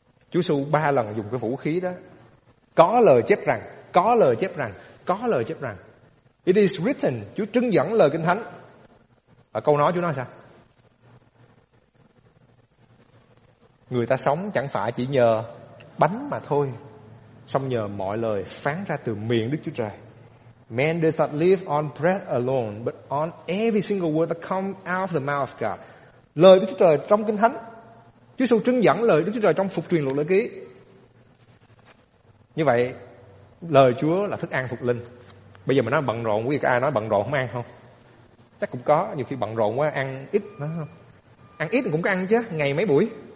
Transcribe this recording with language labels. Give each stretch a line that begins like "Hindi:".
Vietnamese: Chúa Giê-xu 3 lần dùng cái vũ khí đó. Có lời chép rằng, có lời chép rằng, có lời chép rằng.
English: It is written,
Vietnamese: Chúa trưng dẫn lời Kinh Thánh. Và câu nói Chúa nói sao? Người ta sống chẳng phải chỉ nhờ bánh mà thôi, song nhờ mọi lời phán ra từ miệng Đức Chúa Trời.
English: Man does not live on bread alone, but on every single word that comes out of the mouth of God.
Vietnamese: Lời Đức Chúa Trời trong Kinh Thánh, Chúa Giê-xu trưng dẫn lời Đức Chúa Trời trong Phục Truyền Luật Lễ Ký. Như vậy, lời Chúa là thức ăn thuộc linh. Bây giờ mình nói bận rộn, quý vị có ai nói bận rộn không ăn không? Chắc cũng có, nhiều khi bận rộn quá ăn ít nữa không? Ăn ít cũng có ăn chứ, ngày mấy buổi.